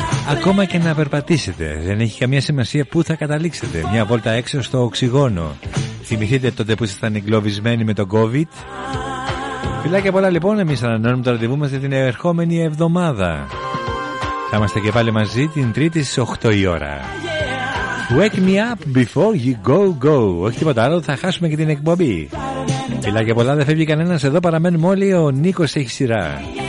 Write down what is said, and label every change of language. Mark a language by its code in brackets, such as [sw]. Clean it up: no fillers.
[el] Ακόμα και να περπατήσετε, δεν έχει καμία σημασία πού θα καταλήξετε. Μια βόλτα έξω στο οξυγόνο. Θυμηθείτε τότε που ήσασταν εγκλωβισμένοι με τον COVID. Φιλάκια πολλά λοιπόν, εμείς ανανεώνουμε το ραντεβού μας για την ερχόμενη εβδομάδα. Θα είμαστε και πάλι μαζί την Τρίτη στις 8 η ώρα. [en] Wake me up before you go go. [el] Όχι τίποτα άλλο, θα χάσουμε και την εκπομπή. Φιλάκια πολλά, δεν φεύγει κανένας, εδώ παραμένουμε όλοι, ο Νίκος έχει σειρά.